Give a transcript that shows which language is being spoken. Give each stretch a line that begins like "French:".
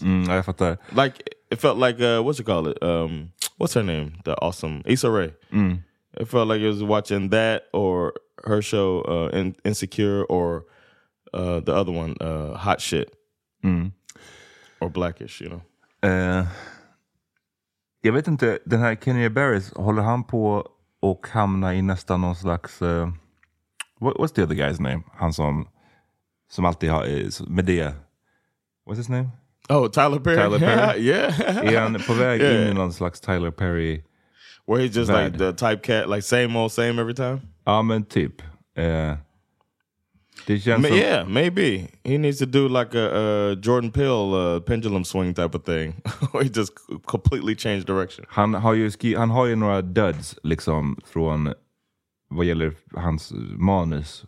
English: Mm, I thought that. Like, it felt like, what you call it? What's her name? The awesome Issa Rae. Mm. It felt like it was watching that or her show, Insecure, or the other one, Hot Shit. Mm. Or Blackish, you know?
Swedish: Jag vet inte, den här Kenya Barris, håller han på och hamna i nästan någon slags...
English: what's the other guy's name?
Swedish: Han som alltid har... Medea.
English: What's his name? Oh, Tyler Perry. Tyler Perry. Yeah.
Swedish: Är han på väg in i någon slags Tyler Perry...
English: Where he's just like the typecat, like same old same every time?
Swedish: Ja, men typ. Det känns
English: som... Yeah, maybe. He needs to do like a Jordan Peele pendulum swing type of thing. Or he just completely changed direction.
Swedish: Han har ju några duds liksom från vad gäller hans manus.